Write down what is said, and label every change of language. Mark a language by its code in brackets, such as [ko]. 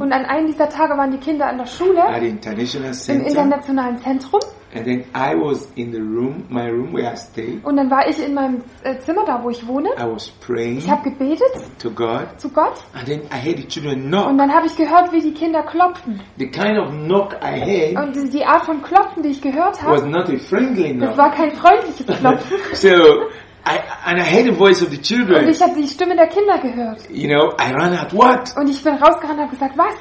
[de] Und an einem dieser Tage waren die Kinder an der Schule. [en] At the international center. [de] Im internationalen Zentrum. [en] And then I was in the room, my room where I stayed. [de] Und dann war ich in meinem Zimmer da, wo ich wohne. [en] I was praying. [de] Ich habe gebetet. [en] To God. [de] Zu Gott. [en] And then I heard the children knock. [de] Und dann habe ich gehört, wie die Kinder klopfen. [en] The kind of knock I heard. [de] Und die Art von Klopfen, die ich gehört habe, [en] was not a friendly knock. [de] Das war kein freundliches Klopfen. [en] So I heard the voice of the children. [de] Und ich habe die Stimme der Kinder gehört. [en] You know, I ran out. What? [de] Und ich bin rausgerannt und habe gesagt, was?